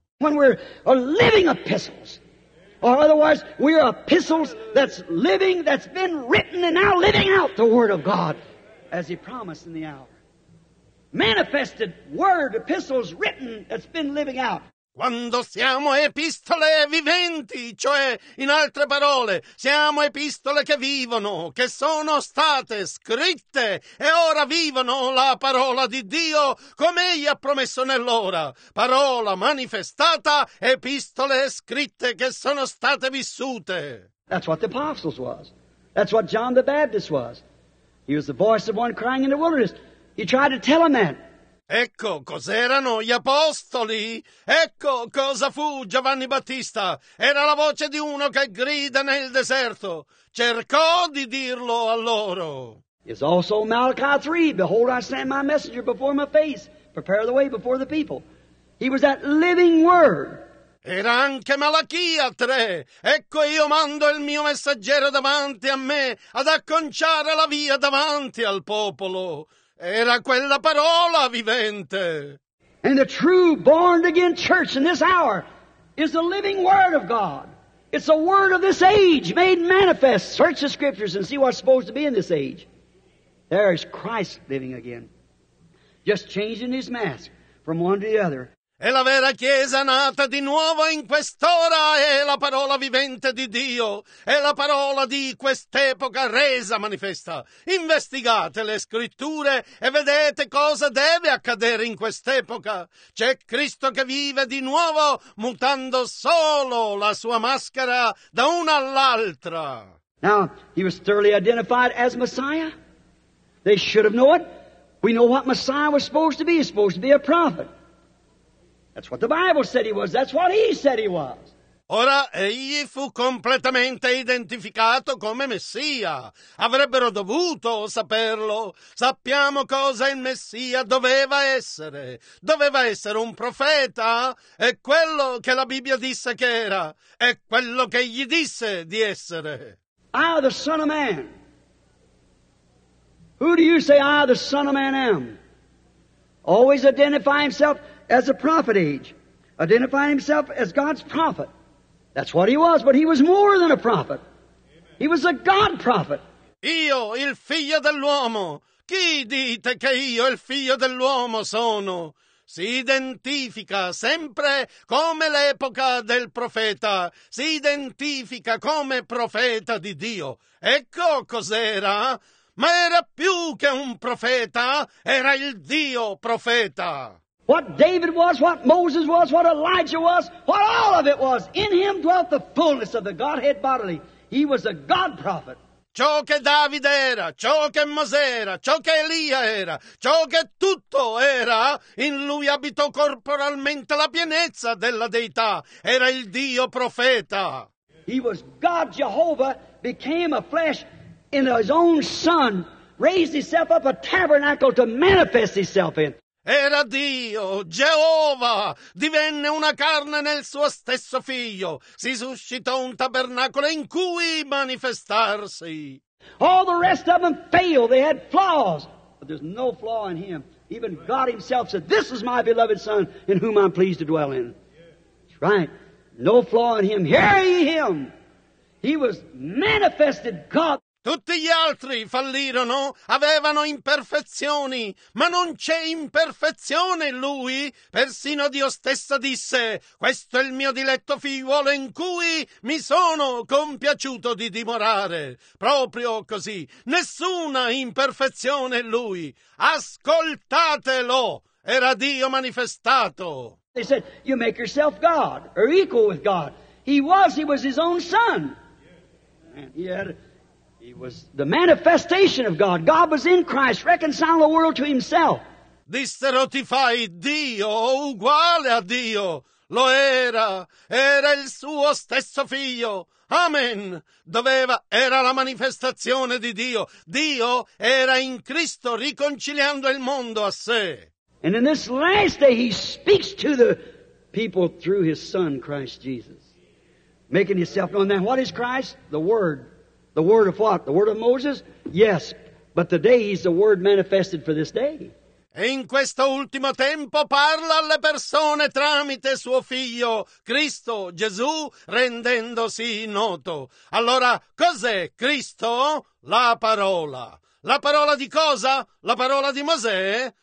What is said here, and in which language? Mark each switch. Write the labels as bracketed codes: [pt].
[en] When we're living epistles, or otherwise we are epistles that's living, that's been written and now living out the word of God as he promised in the hour. Manifested word, epistles written that's been living out. [it] Quando siamo epistole viventi, cioè, in altre parole, siamo epistole che vivono, che sono state scritte e ora vivono la parola di Dio come egli ha promesso nell'ora. Parola manifestata, epistole scritte che sono state vissute. [en] That's what the apostles was. That's what John the Baptist was. He was the voice of one crying in the wilderness. He tried to tell them that. [it] Ecco cos'erano gli apostoli. Ecco cosa fu Giovanni Battista. Era la voce di uno che grida nel deserto. Cercò di dirlo a loro. [en] It's also Malachi 3. Behold, I send my messenger before my face. Prepare the way before the people. He was that living word. [it] Era anche Malachia 3. Ecco, io mando il mio messaggero davanti a me ad acconciare la via davanti al popolo. Era quella parola vivente. [en] And the true born again church in this hour is the living word of God. It's the word of this age made manifest. Search the scriptures and see what's supposed to be in this age. There is Christ living again. Just changing his mask from one to the other. [it] E la vera Chiesa nata di nuovo in quest'ora è la parola vivente di Dio, è la parola di quest'epoca resa manifesta. Investigate le scritture e vedete cosa deve accadere in quest'epoca. C'è Cristo che vive di nuovo mutando solo la sua maschera da una all'altra. [en] Now, he was thoroughly identified as Messiah. They should have known it. We know what Messiah was supposed to be. He's supposed to be a prophet. That's what the Bible said he was. That's what he said he was. [it] Ora, egli fu completamente identificato come Messia. Avrebbero dovuto saperlo. Sappiamo cosa il Messia doveva essere. Doveva essere un profeta. È quello che la Bibbia disse che era. È quello che gli disse di essere. [en] I, the Son of Man. Who do you say I, the Son of Man, am? Always identify himself as a prophet age, identifying himself as God's prophet. That's what he was, but he was more than a prophet. He was a God prophet. [it] Io, il figlio dell'uomo. Chi dite che io, il figlio dell'uomo, sono? Si identifica sempre come l'epoca del profeta. Si identifica come profeta di Dio. Ecco cos'era. Ma era più che un profeta. Era il Dio profeta. [en] What David was, what Moses was, what Elijah was, what all of it was, in him dwelt the fullness of the Godhead bodily. He was a God prophet. [it] Ciò che Davide era, ciò che Mosè era, ciò che Elia era, ciò che tutto era, in lui abitò corporalmente la pienezza della Deità. Era il Dio profeta. [en] He was God Jehovah, became a flesh in his own son, raised himself up a tabernacle to manifest himself in. [it] Era Dio, Geova, divenne una carne nel suo stesso figlio. Si suscitò un tabernacolo in cui manifestarsi. [en] All the rest of them failed. They had flaws. But there's no flaw in him. Even God himself said, this is my beloved son in whom I'm pleased to dwell in. That's right. No flaw in him. Hear ye him. He was manifested God. [it] Tutti gli altri fallirono, avevano imperfezioni, ma non c'è imperfezione in lui. Persino Dio stesso disse, questo è il mio diletto figliuolo in cui mi sono compiaciuto di dimorare. Proprio così, nessuna imperfezione in lui. Ascoltatelo, era Dio manifestato. [en] They said, you make yourself God, or equal with God. He was his own son. And he had... He was the manifestation of God. God was in Christ, reconciling the world to himself. [it] Dissero, ti fai Dio uguale a Dio. Lo era. Era il suo stesso figlio. Amen. Era la manifestazione di Dio. Dio era in Cristo, riconciliando il mondo a sé. [en] And in this last day, he speaks to the people through his son, Christ Jesus. Making himself known. Now, what is Christ? The Word. The word of what? The word of Moses? Yes, but today he's the word manifested for this day. [it] E in questo ultimo tempo parla alle persone tramite suo figlio, Cristo Gesù, rendendosi noto. Allora, cos'è Cristo? La parola. La parola di cosa? La parola di Mosè?